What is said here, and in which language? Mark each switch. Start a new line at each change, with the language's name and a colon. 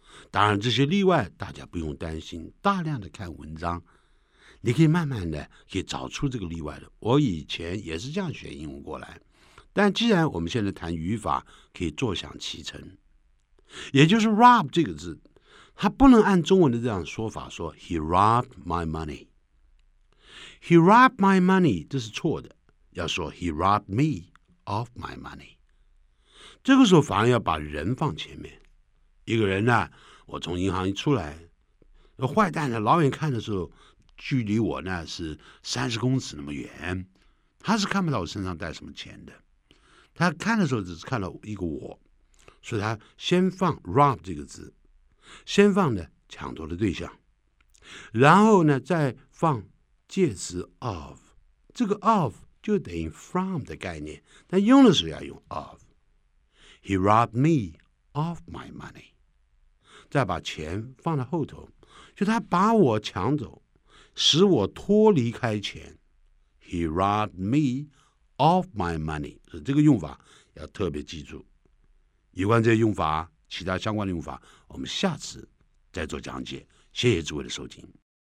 Chinese: 当然，这些例外大家不用担心，大量的看文章，你可以慢慢的可以找出这个例外的。我以前也是这样学英文过来，但既然我们现在谈语法，可以坐享其成，也就是 rob 这个字。他不能按中文的这样说法说
English: He robbed my money. He robbed my money.
Chinese: 这是错的，要说
English: He robbed me of my money.
Chinese: 这个时候反而要把人放前面。一个人呢，我从银行一出来，坏蛋呢，老远看的时候距离我呢是30公尺那么远，他是看不到我身上带什么钱的。他看的时候只是看到一个我，所以他先放 rob 这个字，先放的抢夺的对象，然后呢再放介词 of， 这个 of 就等于 from 的概念，但用的时候要用 of。
English: He robbed me of my money，
Chinese: 再把钱放在后头，就他把我抢走，使我脱离开钱。
English: He robbed me of my money，
Chinese: 所以这个用法要特别记住。有关这些用法，其他相关的用法，我们下次再做讲解。谢谢诸位的收听。